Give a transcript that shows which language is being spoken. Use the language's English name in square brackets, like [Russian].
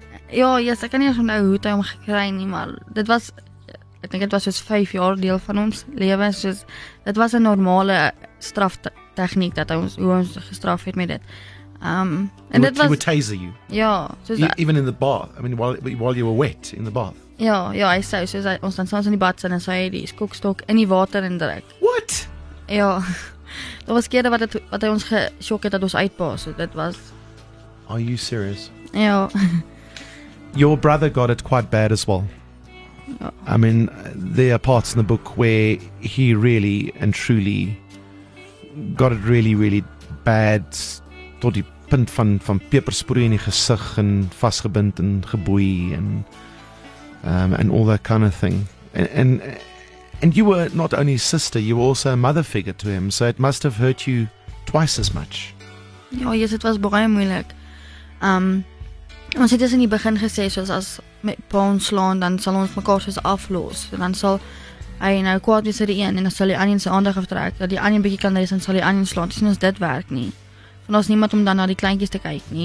[Afrikaans] Ja, yes, ek kan nie onthou hoe hy hom gekry nie, maar dit was, ek dink dit was soos 5 jaar deel van ons lewe, soos dit was 'n normale straf tegniek dat ons hoe ons gestraf het met dit. En dit was [English] he would taser you. [Afrikaans] Ja, [English] soos even in the bath. I mean while you were wet in the bath. [Afrikaans] Ja, ja, hy sê soos ons dan soms in die bad sit en sê hy die skokstok in die water indruk. [English] What? [Afrikaans] Ja. Dat was keer wat hy ons geshock het dat ons uitpas. Dit was... [English] Are you serious? [Afrikaans] Ja. [English] Your brother got it quite bad as well. [Afrikaans] Ja. [English] I mean, there are parts in the book where he really and truly got it really, really bad. [Afrikaans] Tot die punt van pepersproei in die gesig en vastgebind en geboei [English] and all that kind of thing. And you were not only his sister, you were also a mother figure to him, so it must have hurt you twice as much. [Afrikaans] Ja, [English] yes, it was [Afrikaans] baie moeilik. Ons het dus in die begin gesê, soos as my pa ons slaan, dan sal ons mekaar soos aflos. Dan sal hy nou kwaad wees vir die een, en dan sal die ander se aandag aftrek, dat die ander bietjie kan rus en sal die ander slaan. Sien ons dit werk nie. Want daar's niemand om dan na die kleintjies te kyk nie.